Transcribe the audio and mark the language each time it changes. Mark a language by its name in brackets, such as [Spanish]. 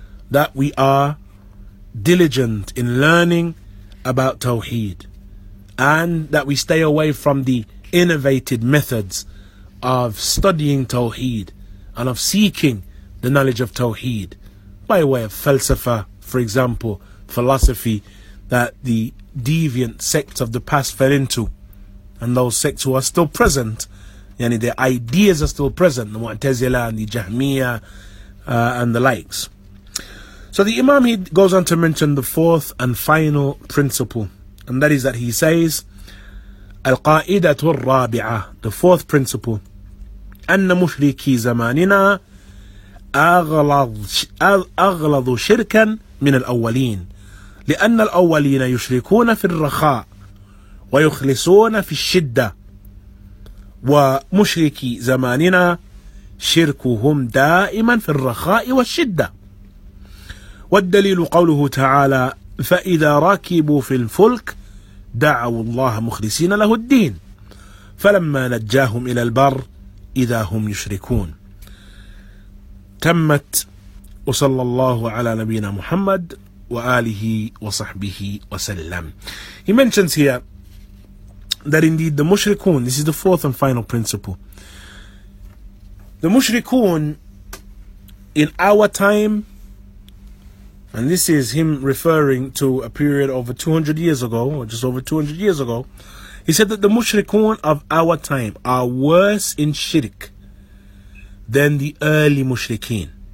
[English] that we are diligent in learning about Tawheed, and that we stay away from the innovated methods of studying Tawheed and of seeking the knowledge of Tawheed by way of falsafa, for example, philosophy that the deviant sects of the past fell into. And those sects who are still present, yani their ideas are still present, the Mu'tazila and the Jahmiyyah and the likes. So the Imam, he goes on to mention the fourth and final principle, and that is that he says, Al-Qa'idatul Rabi'ah, the fourth principle, [Arabic] أن مشركي زماننا أغلظ شركا من الأولين لأن الأولين يشركون في الرخاء ويخلصون في الشدة ومشركي زماننا شركهم دائما في الرخاء والشدة والدليل قوله تعالى فإذا ركبوا في الفلك دعوا الله مخلصين له الدين فلما نجاهم إلى البر إذا هم يشركون تمت وصلى الله على نبينا محمد وآله وصحبه وسلم. [English] He mentions here that indeed the mushrikun, this is the fourth and final principle, the mushrikun in our time, and this is him referring to a period over 200 years ago, or just over 200 years ago, he said that the mushrikun of our time are worse in shirk than the early mushrikeen.